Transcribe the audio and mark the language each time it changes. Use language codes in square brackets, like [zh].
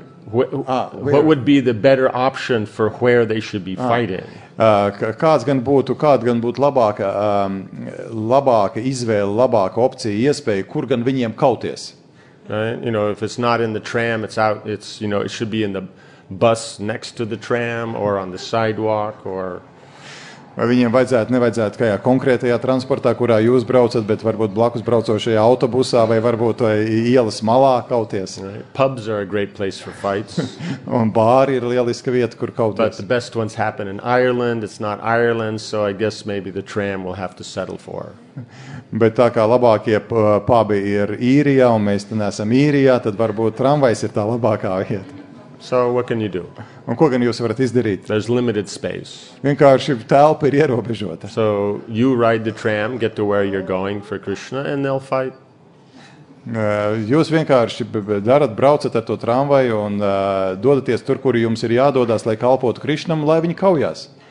[en] What would be the better option for where they should be fighting? [lv] Kāds gan būtu labāka, labāka izvēle, labāka opcija, iespēja, kur gan viņiem kauties? [en] Right? You know, if it's not in the tram, it should be in the bus next to the tram or on the sidewalk or... [lv] Vai viņiem vajadzētu, nevajadzētu kajā konkrētajā transportā, kurā jūs braucat, bet varbūt blakus braucošajā autobusā vai varbūt vai ielas malā kauties. [en] Right. Pubs are a great place for fights. [lv] Un bāri ir lieliska vieta, kur kauties. [en] But the best ones happen in Ireland. It's not Ireland, so I guess maybe the tram will have to settle for. [lv] Bet tā kā labākie pubi ir Īrijā, un mēs ten esam Īrijā, tad varbūt tramvajs ir tā labākā vieta. [en] So what can you do? [lv] Un ko gan jūs varat izdarīt? [en] There's limited space. [lv] Vienkārši telpa ir ierobežota. [en] So you ride the tram, get to where you're going for Krishna, and they'll fight. [lv] Jūs vienkārši darat, braucat ar to tramvaju un dodaties tur, kur jums ir jādodas, lai kalpotu Krishnam, lai viņi kaujās.